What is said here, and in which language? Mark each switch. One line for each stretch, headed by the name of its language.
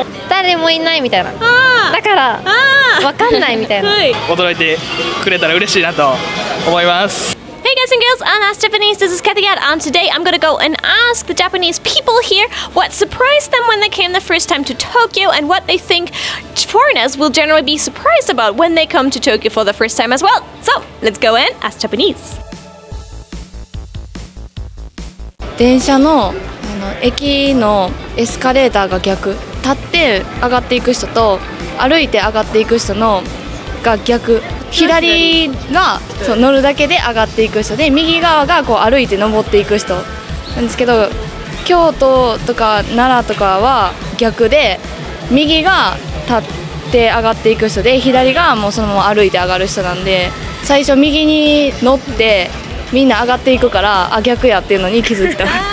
Japanese: 誰もいないみたいな、だから分かんないみたいな、はい、驚いてくれたら嬉しいなと思います。
English: Guys and girls, I'm Ask Japanese. This is Kattegat, and today I'm gonna go and ask the Japanese people here what surprised them when they came the first time to Tokyo, and what they think foreigners will generally be surprised about when they come to Tokyo for the first time as well. So let's go and ask Japanese.
Japanese: 電車の、あの、駅のエスカレーターが逆。立って上がっていく人と歩いて上がっていく人のが逆。左が乗るだけで上がっていく人で、右側がこう歩いて登っていく人なんですけど、京都とか奈良とかは逆で、右が立って上がっていく人で、左がもうそのまま歩いて上がる人なんで、最初右に乗ってみんな上がっていくから、あ、逆やっていうのに気づいた。